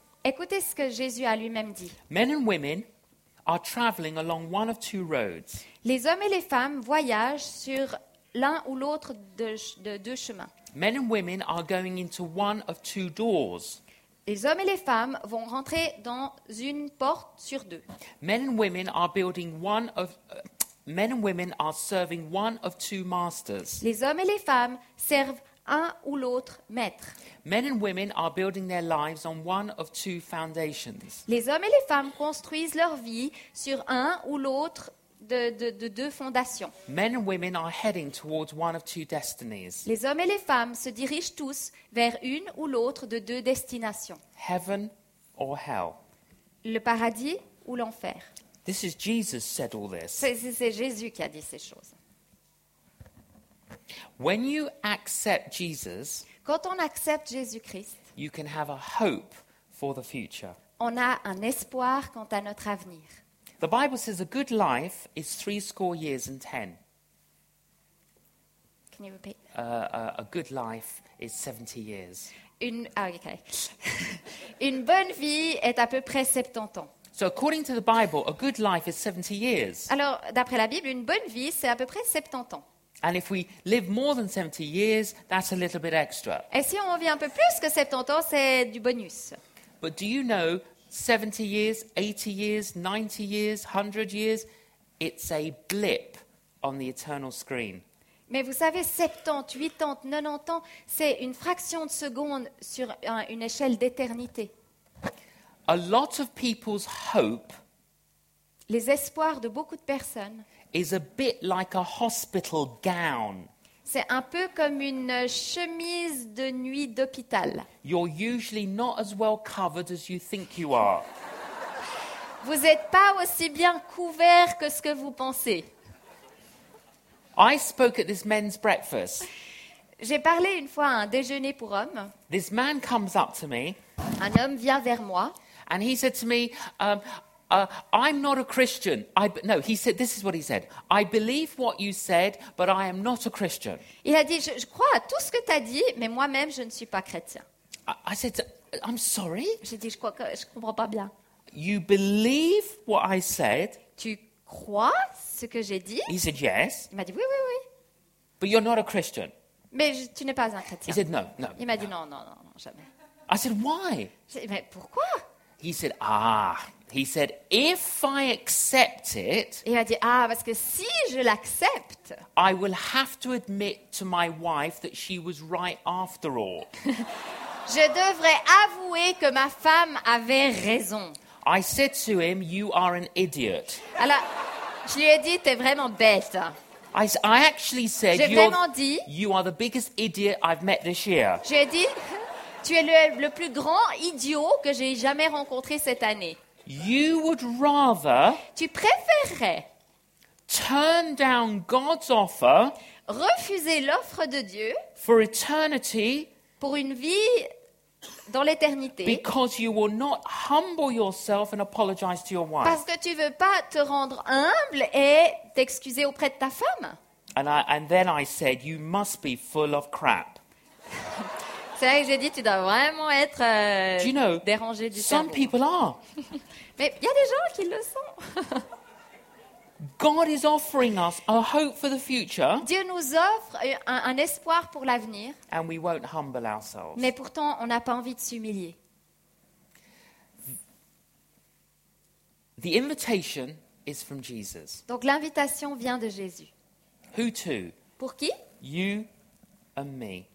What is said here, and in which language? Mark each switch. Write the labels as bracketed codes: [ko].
[fr] Écoutez ce que Jésus a lui-même dit. [en] Men and women are traveling along one of two roads. [fr] Les hommes et les femmes voyagent sur l'un ou l'autre de deux chemins. [en] Men and women are going into one of two doors. [fr] Les hommes et les femmes vont rentrer dans une porte sur deux. [en] Men and women are building one of men and women are serving one of two masters. [fr] Les hommes et les femmes servent un ou l'autre maître. [en] Men and women are building their lives on one of two foundations. [fr] Les hommes et les femmes construisent leur vie sur un ou l'autre de deux fondations. [en] Men and women are heading towards one of two destinies. [fr] Les hommes et les femmes se dirigent tous vers une ou l'autre de deux destinations. [en] Heaven or hell. [fr] Le paradis ou l'enfer. [en] This is Jesus said all this. [fr] C'est Jésus qui a dit ces choses. [en] When you accept Jesus, [fr] quand on accepte Jésus-Christ, [en] you can have a hope for the future. [fr] On a un espoir quant à notre avenir. [en] The Bible says a good life is 70 years and 10. Can you repeat? A good life is 70 years. [fr] Une bonne vie est à peu près 70 ans. [en] So according to the Bible, a good life is 70 years. [fr] Alors, d'après la Bible, une bonne vie, c'est à peu près 70 ans. [en] And if we live more than 70 years, that's a little bit extra. [fr] Et si on vit un peu plus que 70 ans, c'est du bonus. [en] But do you know 70 years, 80 years, 90 years, 100 years, it's a blip on the eternal screen. [fr] Mais vous savez, 70, 80, 90 ans, c'est une fraction de seconde sur une échelle d'éternité. [en] A lot of people's hope, [fr] les espoirs de beaucoup de personnes, [en] is a bit like a hospital gown. [fr] C'est un peu comme une chemise de nuit d'hôpital. [en] You're usually not as well covered as you think you are. [fr] Vous n'êtes pas aussi bien couvert que ce que vous pensez. [en] I spoke at this men's breakfast. [fr] J'ai parlé une fois à un déjeuner pour hommes. [en] This man comes up to me. [fr] Un homme vient vers moi. [en] And he said to me, I'm not a Christian. He said, this is what he said. I believe what you said, but I am not a Christian. [fr] Il a dit, je crois à tout ce que tu as dit, mais moi-même, je ne suis pas chrétien. [en] I said, I'm sorry. [fr] J'ai dit, je comprends pas bien. [en] You believe what I said? [fr] Tu crois ce que j'ai dit? [en] He said, yes. [fr] Il m'a dit, oui. [en] But you're not a Christian. [fr] Mais tu n'es pas un chrétien. [en] He said, no. [fr] Il m'a [en] no. [fr] dit, non, jamais. [en] I said, why? [fr] J'ai dit, mais pourquoi? [en] He said, He said, if I accept it, [fr] il a dit, parce que si je l'accepte, [en] I will have to admit to my wife that she was right after all. [fr] Je devrais avouer que ma femme avait raison. [en] I said to him, you are an idiot. [fr] Alors, je lui ai dit, t'es vraiment bête. [en] I actually said, you are the biggest idiot I've met this year. [fr] J'ai dit, tu es le plus grand idiot que j'ai jamais rencontré cette année. [en] You would rather [fr] tu préférerais [en] turn down God's offer [fr] refuser l'offre de Dieu [en] for eternity [fr] pour une vie dans l'éternité [en] because you will not humble yourself and apologize to your wife. [fr] Parce que tu ne veux pas te rendre humble et t'excuser auprès de ta femme. [en] And then I said, you must be full of crap. [fr] C'est vrai que j'ai dit, tu dois vraiment être dérangé du cerveau. [en] Some people are. [fr] Mais il y a des gens qui le sont. [en] God is offering us a hope for the future. [fr] Dieu nous offre un espoir pour l'avenir. [en] And we won't humble ourselves. [fr] Mais pourtant, on n'a pas envie de s'humilier. [en] The invitation is from Jesus. [fr] Donc l'invitation vient de Jésus. [en] Who to? [fr] Pour qui? [en] You and me.